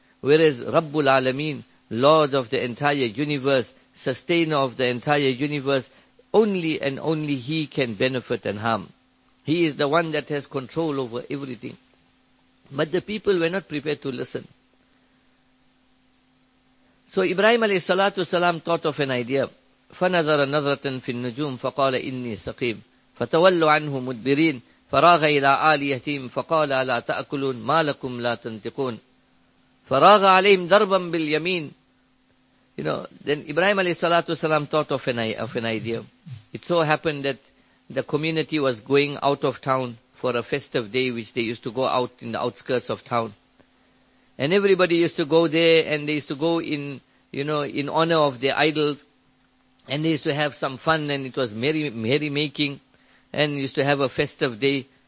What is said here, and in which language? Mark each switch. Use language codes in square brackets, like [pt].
[en] Whereas Rabbul Alameen, Lord of the entire universe, sustainer of the entire universe, only and only He can benefit and harm. He is the one that has control over everything. But the people were not prepared to listen. So Ibrahim alayhi salatu salam thought of an idea. [ar] فَنَذَرَ نَذْرَةً فِي النُّجُومِ فَقَالَ إِنِّي سَقِيمٌ فَتَوَلُّ عَنْهُ مُدْبِرِينَ فَرَاغَ إِلَىٰ آلِيَتِهِمْ فَقَالَ لَا تَأْكُلُونَ مَا لَكُمْ لَا تَنْتِقُونَ فَرَاغَ عَلَيْهِمْ ضَرْبًا بِالْيَمِينَ. [en] You know, then Ibrahim alayhi salatu salam thought of an idea. It so happened that the community was going out of town for a festive day, which they used to go out in the outskirts of town. And everybody used to go there and they used to go in, you know, in honor of their idols. And they used to have some fun and it was merry making and used to have a festive day.